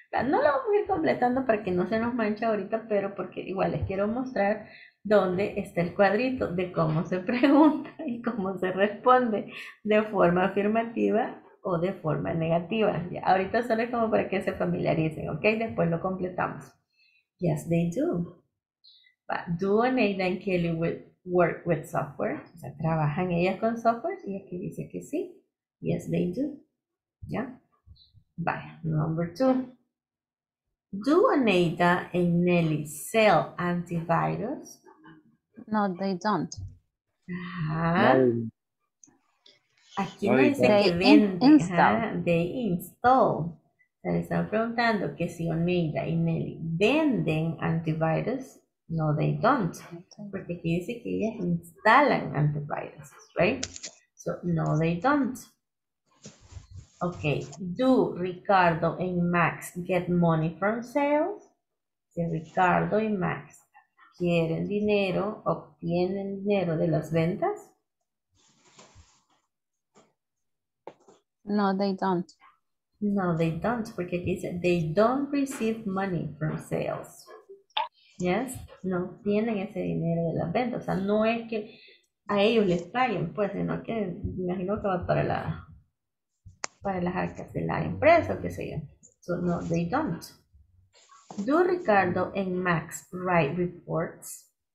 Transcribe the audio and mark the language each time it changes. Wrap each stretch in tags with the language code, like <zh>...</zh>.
<es>No lo vamos a ir completando para que no se nos manche ahorita, pero porque igual les quiero mostrar dónde está el cuadrito de cómo se pregunta y cómo se responde de forma afirmativa o de forma negativa. Ya, ahorita solo es como para que se familiaricen, ¿ok? Después lo completamos.</es> <en>Yes, they do. But do Oneida and Kelly work with software?</en> <es>O sea, ¿trabajan ellas con software? Y aquí dice que sí.</es> <en>Yes, they do.</en> <es>¿Ya?</es> <en>Vaya, number two. Do Oneida and Nelly sell antivirus? No, they don't.</en> <es>Aquí no dice que venden,</es> <en>they install.</en> <es>Se le están preguntando que si Oneida y Nelly venden antivirus.</es> <en>No, they don't.</en> <es>Porque aquí dice que ellas instalan antivirus, right?</es> <en>So, no, they don't. Okay, do Ricardo and Max get money from sales?</en> <es>Si Ricardo y Max quieren dinero, obtienen dinero de las ventas?</es> <en>No, they don't. No, they don't,</en> <es>porque aquí dice,</es> <en>they don't receive money from sales.</en> <es>Yes, no obtienen ese dinero de las ventas. O sea, no es que a ellos les paguen, pues, sino que me imagino que va para la... para las arcas de la empresa, que sea.</es> <en>So, no, they don't. Do Ricardo and Max write reports?</en>